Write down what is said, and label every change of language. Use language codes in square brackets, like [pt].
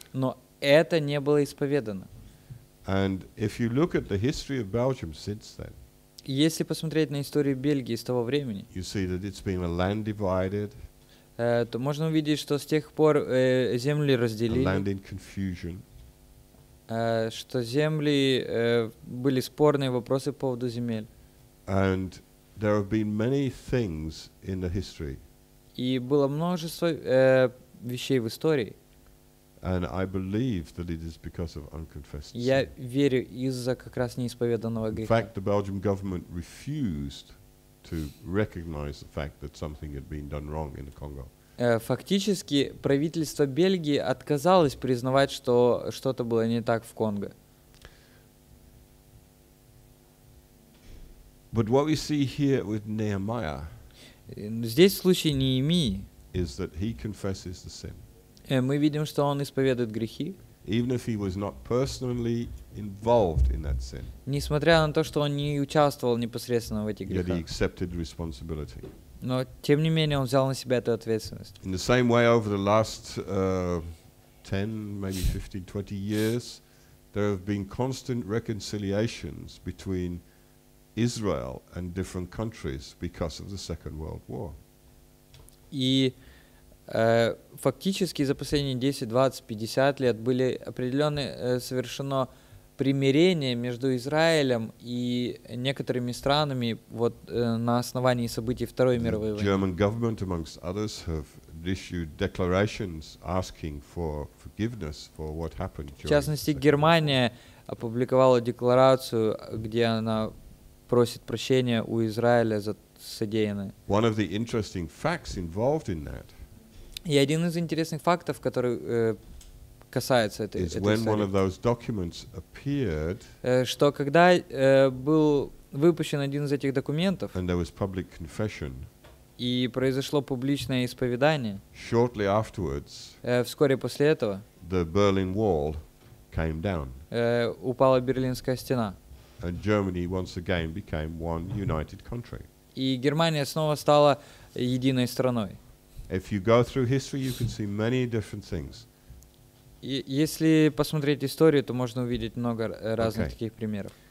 [ru] Но это не было исповедано. [en] And if you look at the history of Belgium since then, [ru] если посмотреть на историю Бельгии с того времени, [en] you see that it's been a land divided, [ru] то можно увидеть, что с тех пор земли разделили. [en] A land in confusion. [ru] Что земли были спорные вопросы по поводу земель. [en] And there have been many things in the history. [ru] И было множество вещей в истории. [en] And I believe that it is because of unconfessed sin. [ru] Я верю из-за как раз неисповеданного греха. [en] In fact, the Belgian government refused to recognize the fact that something had been done wrong in the Congo. [ru] Фактически, правительство Бельгии отказалось признавать, что что-то было не так в Конго. [en] But what we see here with Nehemiah, [ru] здесь в случае Неемии, [en] is that he confesses the sin. [ru] Мы видим, что он исповедует грехи. [en] Even if he was not personally involved in that sin. [ru] Несмотря на то, что он не участвовал непосредственно в этих грехах. [en] Yet he accepted responsibility. [ru] Но, тем не менее, он взял на себя эту ответственность. [en] In the same way, over the last 10, maybe 15, 20 years, there have been constant reconciliations between Israel and different countries because of the Second World War. [ru] И фактически за последние 10, 20, 50 лет были определены совершено примирение между Израилем и некоторыми странами вот на основании событий Второй мировой войны. [en] German government, amongst others, have issued declarations asking for forgiveness for what happened. [ru] В частности, Германия опубликовала декларацию, где она просит прощения у Израиля за содеянное. [en] One of the interesting facts involved in that. [ru] И один из интересных фактов, который касается этой истории. [en] When one of those documents appeared, [ru] что когда был выпущен один из этих документов, [en] and there was public confession, [ru] и произошло публичное исповедание, [en] shortly afterwards, [ru] вскоре после этого, [en] the Berlin Wall came down, [ru] упала Берлинская стена, [en] and Germany once again became one united country. [ru] И Германия снова стала единой страной. [en] If you go through history, you can see many different things. [ru] Если посмотреть историю, то можно увидеть много разных таких примеров.